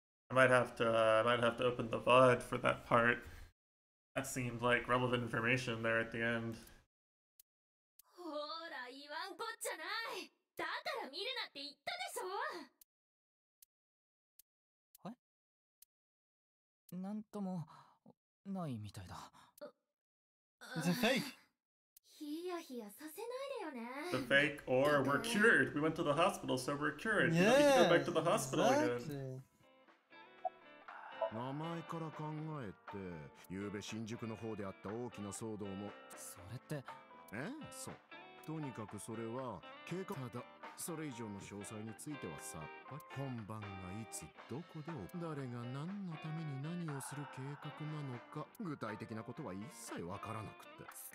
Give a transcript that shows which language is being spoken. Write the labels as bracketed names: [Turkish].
[English] I might have to open the VOD for that part. That seemed like relevant information there at the end. [Japanese] ほら、言わんこっちゃない。だから見るなって言ったでしょ。え？なんともないみたいだ。 [English] It's a fake. [Japanese] ヒヤヒヤさせないでよね。 [English] The fake or we're cured. We went to the hospital, so we're cured. Yeah, we don't need to go back to the hospital exactly. again. [Japanese] 名前から考えて、ゆうべ新宿の方であった大きな騒動も。それって。え？そう。とにかくそれは計画。ただ、それ以上の詳細についてはさっぱり。本番がいつどこで誰が何のために何をする計画なのか、具体的なことは一切わからなくて。